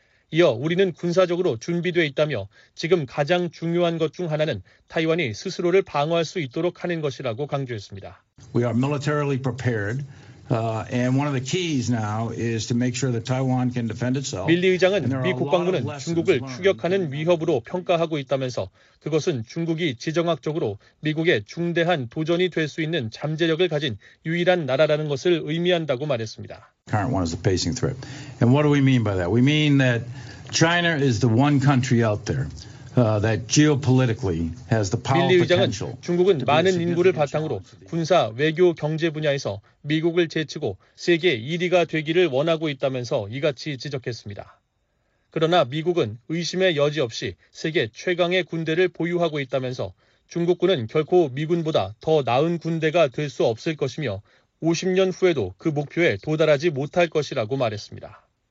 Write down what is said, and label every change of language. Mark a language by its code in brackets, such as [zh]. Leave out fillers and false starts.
[ko] 이어 우리는 군사적으로 준비돼 있다며 지금 가장 중요한 것 중 하나는 타이완이 스스로를 방어할 수 있도록 하는 것이라고 강조했습니다. [en] We are militarily prepared. And one of the keys now is to make sure that Taiwan can defend itself. [ko] 밀리 의장은 미 국방부는 중국을 추격하는 위협으로 평가하고 있다면서 그것은 중국이 지정학적으로 미국의 중대한 도전이 될 수 있는 잠재력을 가진 유일한 나라라는 것을 의미한다고 말했습니다. [en] Current one is the pacing threat. And what do we mean by that? We mean that China is the one country out there. That geopolitically has the power [ko] 밀리 의장은 중국은 많은 인구를 바탕으로 군사, 외교, 경제 분야에서 미국을 제치고 세계 1위가 되기를 원하고 있다면서 이같이 지적했습니다. 그러나 미국은 의심의 여지 없이 세계 최강의 군대를 보유하고 있다면서 중국군은 결코 미군보다 더 나은 군대가 될 수 없을 것이며 50년 후에도 그 목표에 도달하지 못할 것이라고 말했습니다.